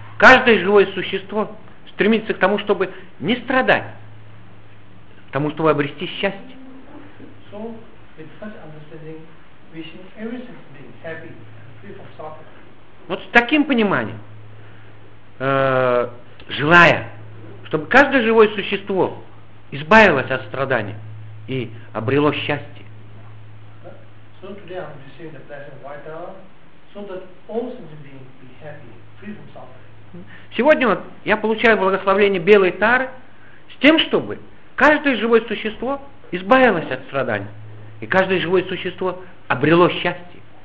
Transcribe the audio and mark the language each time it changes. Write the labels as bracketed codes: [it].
[ru] Каждое живое существо стремится к тому, чтобы не страдать, к тому, чтобы обрести счастье. [en] So, with such understanding, wishing every single being happy and free from suffering. [ru] Вот с таким пониманием, желая, чтобы каждое живое существо избавилось от страданий и обрело счастье. [en] So today I'm receiving the blessing of White Dharma, so that all sentient beings be happy, free from suffering. [ru] Сегодня вот я получаю благословение Белой Тары с тем, чтобы каждое живое существо избавилось от страданий, и каждое живое существо обрело счастье.